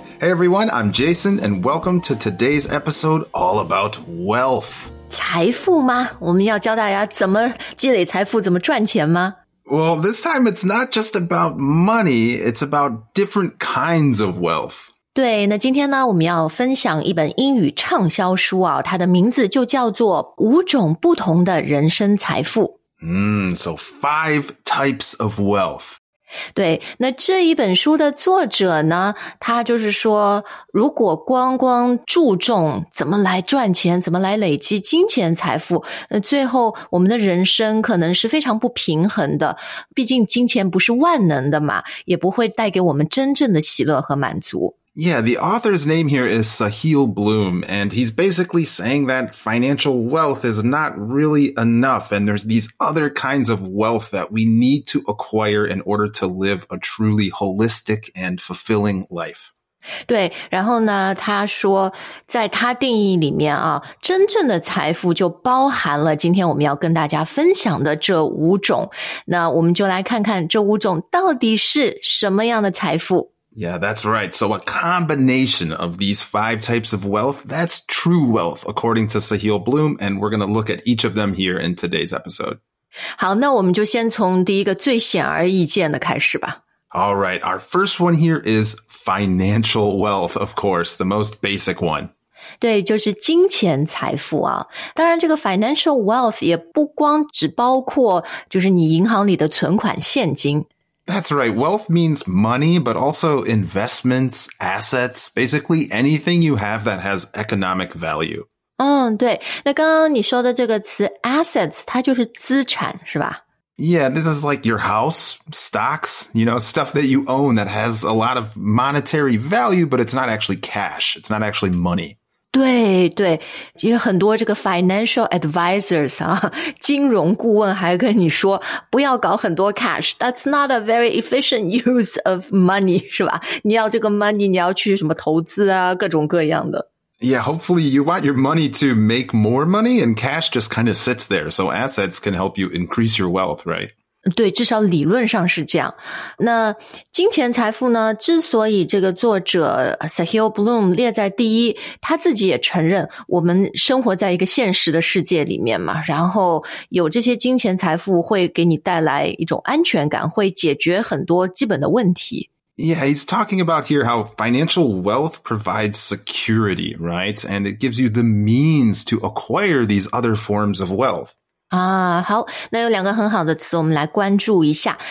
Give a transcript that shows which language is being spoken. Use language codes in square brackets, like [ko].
[en] Hey everyone, I'm Jason, and welcome to today's episode all about wealth. [zh] 财富吗？我们要教大家怎么积累财富，怎么赚钱吗？ [en] Well, this time it's not just about money, it's about different kinds of wealth. [zh] 对，那今天呢，我们要分享一本英语畅销书啊，它的名字就叫做《五种不同的人生财富》。 [en] So five types of wealth. [zh] 对，那这一本书的作者呢，他就是说，如果光光注重怎么来赚钱，怎么来累积金钱财富，最后我们的人生可能是非常不平衡的，毕竟金钱不是万能的嘛，也不会带给我们真正的喜乐和满足。 [en] Yeah, the author's name here is Sahil Bloom, and he's basically saying that financial wealth is not really enough, and there's these other kinds of wealth that we need to acquire in order to live a truly holistic and fulfilling life. [zh] 对，然后呢，他说，在他定义里面啊，真正的财富就包含了今天我们要跟大家分享的这五种。那我们就来看看这五种到底是什么样的财富。 [en] Yeah, that's right. So a combination of these five types of wealth, that's true wealth, according to Sahil Bloom, and we're going to look at each of them here in today's episode. [zh] 好，那我们就先从第一个最显而易见的开始吧。 [en] All right, our first one here is financial wealth, of course, the most basic one. [zh] 对，就是金钱财富啊。当然这个 [en] financial wealth [zh] 也不光只包括就是你银行里的存款现金。 [en] That's right. Wealth means money, but also investments, assets, basically anything you have that has economic value. [zh] 嗯，对。那刚刚你说的这个词 assets, 它就是资产，是吧？ [en] Yeah, this is like your house, stocks, you know, stuff that you own that has a lot of monetary value, but it's not actually cash. It's not actually money. [zh] 对对，其实很多这个 financial advisors 啊，金融顾问还跟你说不要搞很多 [en] cash, that's not a very efficient use of money, [zh] 是吧？你要这个 money, 你要去什么投资啊，各种各样的。 [en] Yeah, hopefully you want your money to make more money and cash just kind of sits there, so assets can help you increase your wealth, right? [zh] 对，至少理论上是这样。那金钱财富呢，之所以这个作者 Sahil Bloom 列在第一，他自己也承认我们生活在一个现实的世界里面嘛，然后有这些金钱财富会给你带来一种安全感，会解决很多基本的问题。 [en] Yeah, he's talking about here how financial wealth provides security, right? And it gives you the means to acquire these other forms of wealth. [zh] 啊，好，那有两个很好的词，我们来关注一下。